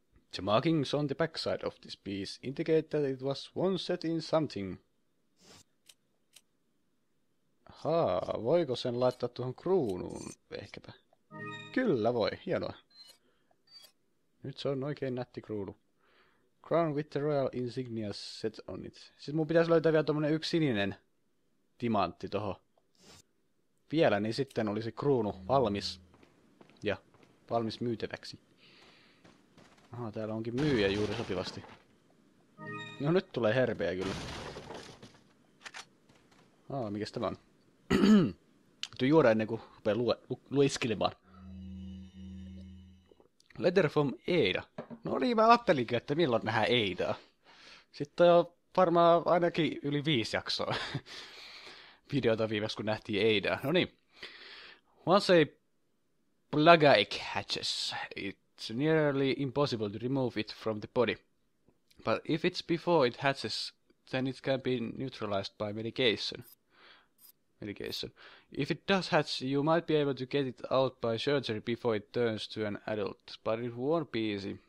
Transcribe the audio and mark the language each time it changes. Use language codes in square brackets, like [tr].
[en] The markings on the backside of this piece indicate that it was once set in something. [fi] Haa, voiko sen laittaa tuohon kruunuun? Ehkäpä. Kyllä voi, hienoa. Nyt se on oikein nätti kruunu. [en] Crown with the royal insignia set on it. [fi] Siis mun pitäisi löytää vielä tommonen yksi sininen timantti toho. Vielä, niin sitten olisi kruunu valmis. Ja valmis myytäväksi. Aha, täällä onkin myyjä juuri sopivasti. No nyt tulee herpeä kyllä. Aa, mikäs tämä on? Täytyy juoda ennen kuin rupee lueskelemaan. [en] Letter from Ada. [fi] No niin, mä ajattelinkin, että milloin nähdään Adaa. Sitten on varmaan ainakin yli 5 jaksoa videota viimeksi, kun nähtiin Adaa. No niin. [en] Once a plague egg hatches, it's nearly impossible to remove it from the body. But if it's before it hatches, then it can be neutralized by medication. If it does hatch, you might be able to get it out by surgery before it turns to an adult, but it won't be easy.